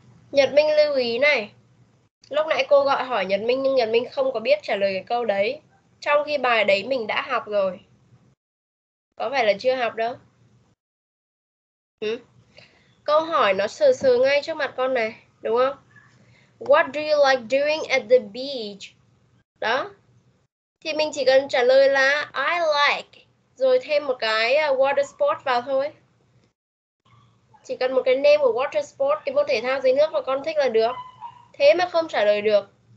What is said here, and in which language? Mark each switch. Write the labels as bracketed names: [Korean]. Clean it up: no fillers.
[Vietnamese] Nhật Minh lưu ý này. Lúc nãy cô gọi hỏi Nhật Minh nhưng Nhật Minh không có biết trả lời cái câu đấy. Trong khi bài đấy mình đã học rồi. Có phải là chưa học đâu. Câu hỏi nó sờ sờ ngay trước mặt con này. Đúng không? [English] What do you like doing at the beach? [Vietnamese] Đó. Thì mình chỉ cần trả lời là [English] I like, [Vietnamese] rồi thêm một cái water sport vào thôi. Chỉ cần một cái name của water sport, cái môn thể thao dưới nước mà con thích là được. Thế mà không trả lời được.